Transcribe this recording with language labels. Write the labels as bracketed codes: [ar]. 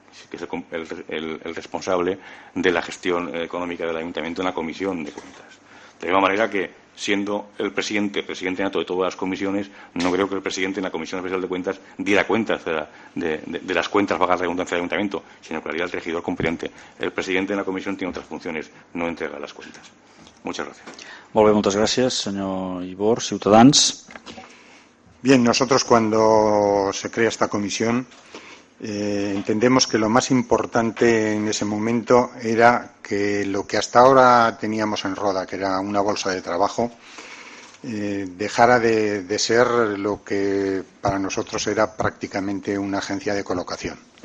[es] que es el responsable de la gestión económica del ayuntamiento en la comisión de cuentas. De la misma manera que, siendo el presidente, presidente nato de todas las comisiones, no creo que el presidente en la Comisión Especial de Cuentas diera cuentas de las cuentas pagadas a la redundancia del ayuntamiento, sino que haría el regidor competente. El presidente en la comisión tiene otras funciones, no entrega las cuentas. Muchas gracias. [ca] Molt bé, moltes gràcies, senyor Ibor. Ciutadans. [es] Bien, nosotros cuando se crea esta comisión entendemos que lo más importante en ese momento era que lo que hasta ahora teníamos en Roda, que era una bolsa de trabajo, dejara de ser lo que para nosotros era prácticamente una agencia de colocación.